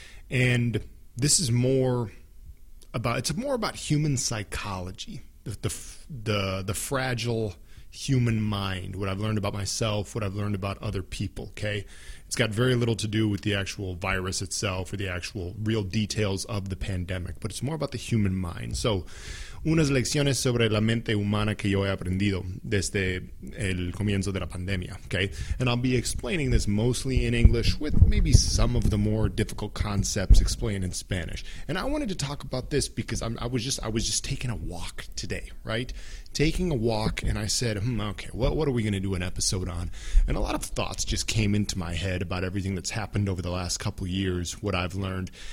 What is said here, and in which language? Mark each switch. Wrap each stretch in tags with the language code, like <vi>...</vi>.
<en>And this is more about, it's more about human psychology, the fragile human mind, what I've learned about myself, what I've learned about other people, okay? It's got very little to do with the actual virus itself or the actual real details of the pandemic, but it's more about the human mind.</en> <es>So, unas lecciones sobre la mente humana que yo he aprendido desde el comienzo de la pandemia, okay?</es> <en>And I'll be explaining this mostly in English with maybe some of the more difficult concepts explained in Spanish. And I wanted to talk about this because I was just taking a walk today, right? Taking a walk, and I said, okay, what are we going to do an episode on? And a lot of thoughts just came into my head about everything that's happened over the last couple years, what I've learned.</en>